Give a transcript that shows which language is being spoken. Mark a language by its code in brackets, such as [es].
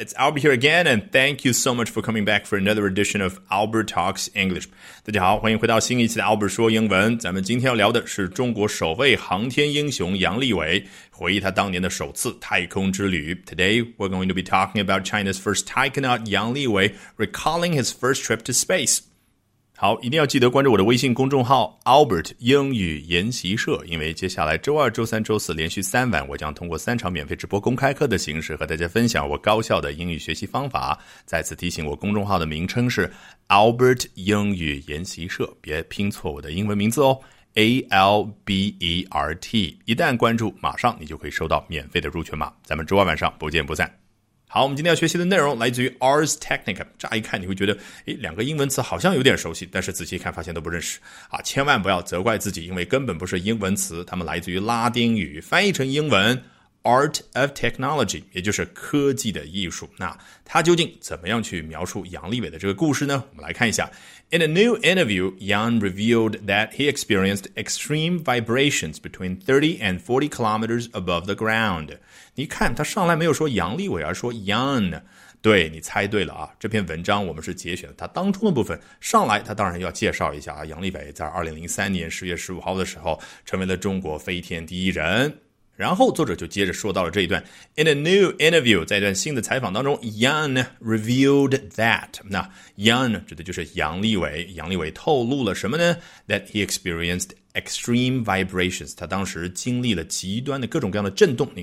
[en] It's Albert here again, and thank you so much for coming back for another edition of Albert Talks English. [zh] 大家好，欢迎回到新一期的 Albert 说英文。咱们今天要聊的是中国首位航天英雄杨利伟，回忆他当年的首次太空之旅。 [en] Today, we're going to be talking about China's first taikonaut Yang Liwei, recalling his first trip to space. [zh] 好，一定要记得关注我的微信公众号 Albert 英语研习社，因为接下来周二、周三、周四连续三晚，我将通过三场免费直播公开课的形式和大家分享我高效的英语学习方法。再次提醒，我公众号的名称是 Albert 英语研习社，别拼错我的英文名字哦， Albert。一旦关注，马上你就可以收到免费的入群码。咱们周二晚上不见不散。好，我们今天要学习的内容来自于 Ars Technica。乍一看你会觉得两个英文词好像有点熟悉，但是仔细看发现都不认识啊！千万不要责怪自己，因为根本不是英文词，它们来自于拉丁语，翻译成英文 Art of Technology， 也就是科技的艺术。那它究竟怎么样去描述杨利伟的这个故事呢？我们来看一下。 [en] In a new interview, Yang revealed that he experienced extreme vibrations between 30 and 40 kilometers above the ground。 [zh] 你看他上来没有说杨利伟，而说 Yan， 对，你猜对了啊！这篇文章我们是节选他当初的部分，上来他当然要介绍一下啊，杨利伟在2003年10月15号的时候成为了中国飞天第一人。然后作者就接着说到了这一段 ， [en] In a new interview， [zh] 在一段新的采访当中 ， [en] Yan revealed that， [zh] 那 Yan 指的就是杨利伟，杨利伟透露了什么呢 ？ [en] That he experienced extreme vibrations， [zh] 他当时经历了极端的各种各样的震动。